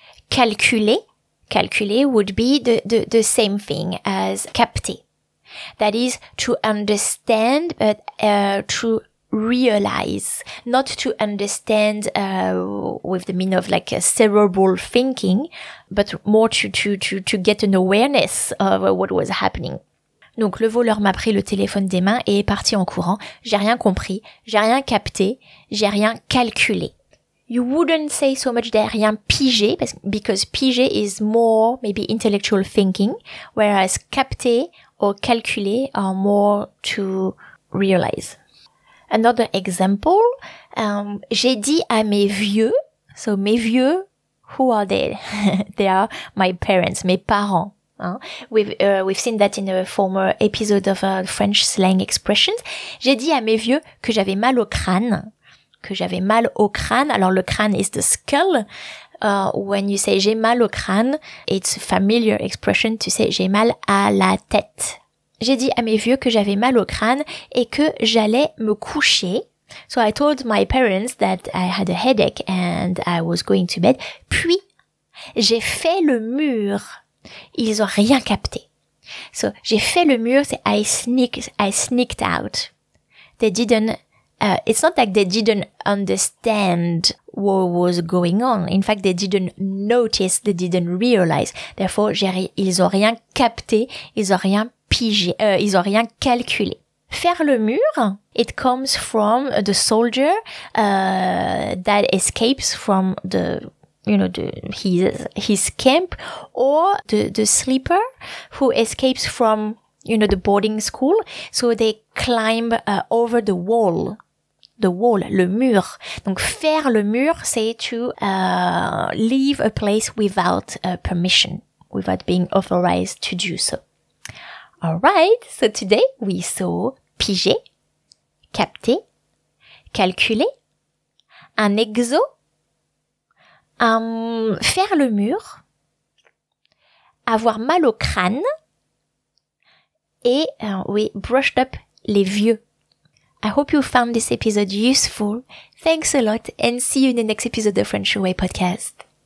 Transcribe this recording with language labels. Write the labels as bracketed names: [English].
[English] Calculer would be the same thing as capté. That is to understand, but to realize, not to understand with the meaning of like a cerebral thinking, but more to get an awareness of what was happening. [French] Donc le voleur m'a pris le téléphone des mains et est parti en courant. J'ai rien compris, j'ai rien capté, j'ai rien calculé. [English] You wouldn't say so much [French] j'ai rien pigé, [English] because pigé is more maybe intellectual thinking, whereas capté or calculé are more to realize. Another example, [French] j'ai dit à mes vieux, so mes vieux, [English] who are they? They are my parents, mes parents. We've seen that in a former episode of French slang expressions. [French] J'ai dit à mes vieux que j'avais mal au crâne, que j'avais mal au crâne. Alors le crâne [English] is the skull. When you say [French] j'ai mal au crâne, [English] it's a familiar expression to say [French] j'ai mal à la tête. J'ai dit à mes vieux que j'avais mal au crâne et que j'allais me coucher. [English] So I told my parents that I had a headache and I was going to bed. [French] Puis, j'ai fait le mur. Ils ont rien capté. So, j'ai fait le mur, c'est [English] I sneaked out. They didn't, it's not like they didn't understand what was going on. In fact, they didn't notice, they didn't realize. [French] Therefore, ils ont rien capté, ils ont rien pigé, ils ont rien calculé. [English] Faire le mur, it comes from the soldier, that escapes from the, you know, his camp, or the sleeper who escapes from, you know, the boarding school. So they climb over the wall. The wall, le mur. [French] Donc faire le mur, c'est [English] to leave a place without permission, without being authorized to do so. Alright, so today we saw pigé, capté, calculé, un exo, faire le mur, avoir mal au crâne, et we brushed up les vieux. I hope you found this episode useful. Thanks a lot and see you in the next episode of French Away Podcast.